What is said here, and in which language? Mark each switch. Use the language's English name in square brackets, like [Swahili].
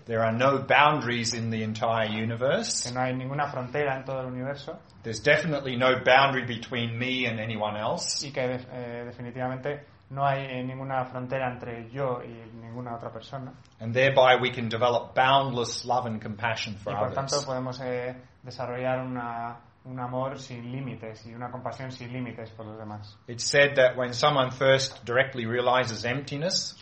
[English] There are no boundaries in the entire universe. [Spanish] Que no hay ninguna frontera en todo el universo. [English] There's definitely no boundary between me and anyone else. [Spanish] Y que definitivamente no hay ninguna frontera entre yo y ninguna otra persona. [English] And thereby we can develop boundless love and compassion for others. [Spanish] Y por tanto podemos desarrollar un amor sin límites y una compasión sin límites por los demás. [English] It's said that when someone first directly realizes emptiness,